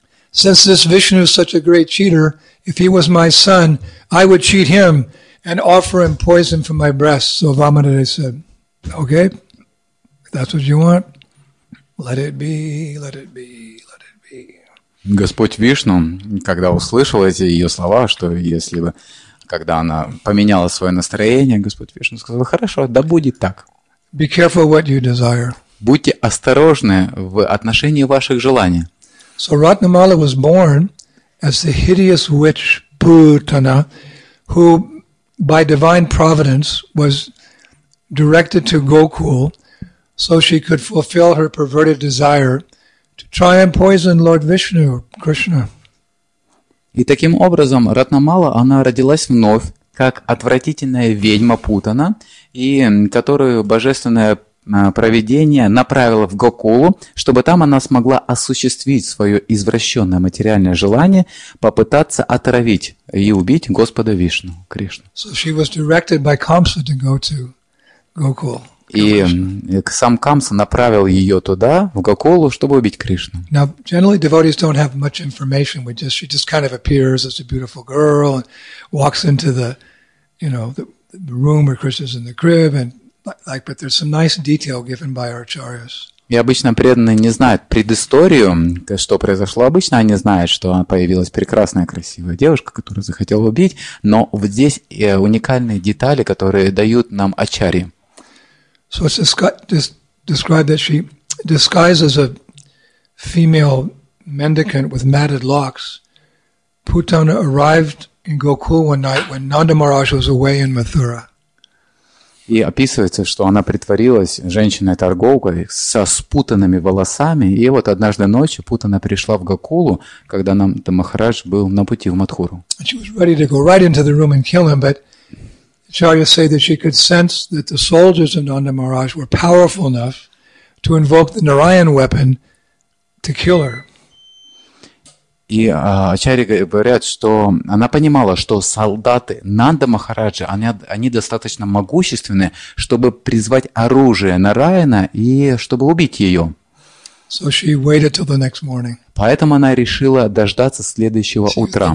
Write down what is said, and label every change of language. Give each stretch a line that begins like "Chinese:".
English: Since this Vishnu is such a great cheater, if he was my son, I would cheat him and offer him poison for my breast. So Vamadeva said, okay, that's what you want. Let it be, let it be, let it be.
Russian: Господь Вишну, когда услышал эти ее слова, что если бы когда она поменяла свое настроение, Господь Вишну сказал, хорошо, да будет так.
English: Be careful what you desire.
Russian: Будьте осторожны в отношении ваших желаний.
English: So Ratnamala was born as the hideous witch Bhutana, who by divine providence was directed to Gokul so she could fulfill her perverted desire to try and poison Lord Vishnu, Krishna.
Russian: И таким образом Ратнамала, она родилась вновь, как отвратительная ведьма Путана, и которую божественное провидение направило в Гокулу, чтобы там она смогла осуществить свое извращенное материальное желание попытаться отравить и убить Господа Вишну, Кришну.
English: So she was directed by Kamsa to go to Gokul.
Russian: И сам Камса направил ее туда, в Гокулу, чтобы убить Кришну.
English: Now, generally, devotees don't have much information. She just kind of appears as a beautiful girl and walks into the, you know, the room where Krishna's in the crib and like, but there's some nice detail given by our acharyas.
Russian: И обычно преданные не знают предысторию, что произошло. Обычно они знают, что появилась прекрасная, красивая девушка, которую захотел убить. Но вот здесь уникальные детали, которые дают нам ачарьи.
English: So it's described that she disguises a female mendicant with matted locks. Putana arrived in Gokul one night when Nanda Maharaj was away in Mathura.
Russian: И описывается, что она притворилась женщиной-торговкой со спутанными волосами. И вот однажды ночью Путана пришла в Гокулу, когда Нанда Махарадж был на пути в Матхуру.
English: She was ready to go right into the room and kill him, but Acharya say that she could sense that the soldiers of Nanda Maharaj were powerful enough to invoke the Narayan weapon to kill her.
Russian: И Ачарья говорят, что она понимала, что солдаты Нанда Махараджа, они достаточно могущественны, чтобы призвать оружие Нараяна и чтобы убить ее.
English: So she waited till the next morning.
Russian: Поэтому она решила дождаться следующего утра.